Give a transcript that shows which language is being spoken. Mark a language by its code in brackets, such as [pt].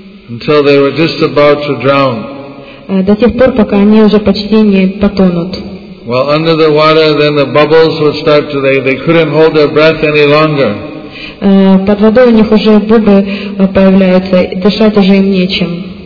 [en] Until they were just about to drown. [ru] До тех пор, пока они уже почти не потонут. [en] Well, under the water, then the bubbles would start to, they couldn't hold their breath any longer. [ru] Под водой у них уже бубы появляются, дышать уже им нечем.